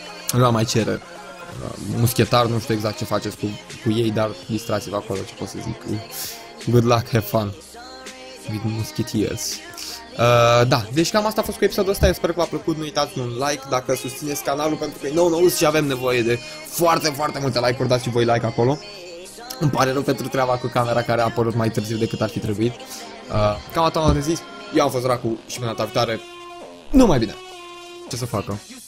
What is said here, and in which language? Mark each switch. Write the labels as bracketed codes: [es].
[ro] Lumea mai cere muschetar, nu știu exact ce faceți cu ei, dar distrați-vă acolo, ce pot să zic. [en] Good luck, have fun with musketeers. [ro] Da, deci cam asta a fost cu episodul ăsta, eu sper că v-a plăcut, nu uitați un like dacă susțineți canalul, pentru că e nou și avem nevoie de foarte, foarte multe like-uri, dați și voi like acolo. Îmi pare rău pentru treaba cu camera care a apărut mai târziu decât ar fi trebuit. Cam atât am de zis, eu am fost Dracu și mâna ta viitoare. Nu mai bine. Ce să facă?